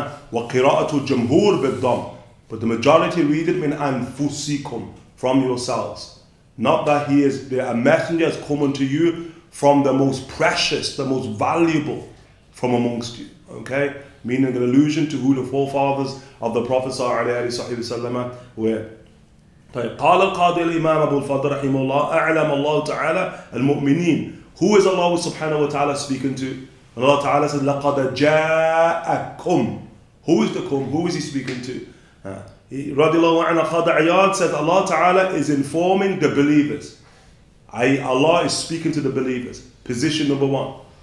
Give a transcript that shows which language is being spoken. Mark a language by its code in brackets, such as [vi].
[en] Wa qira'atu jumhur bid-dam. But the majority read it min anfusikum, from yourselves. Not that he is, a messenger has come unto you from the most precious, the most valuable from amongst you, okay? Meaning an allusion to who the forefathers of the Prophet sallallahu alayhi wa sallam were. [ar] قال القاضي الإمام أبو الفضل رحمه الله أعلم الله تعالى المؤمنين. [en] Who is Allah subhanahu wa ta'ala speaking to? Allah ta'ala said, [ar] لَقَدَ جَاءَكُمْ. [en] Who is the كُمْ? Who is he speaking to? [ar] رضي الله عنه [en] Qadi Iyad said, Allah ta'ala is informing the believers. Allah is speaking to the believers. Position number one.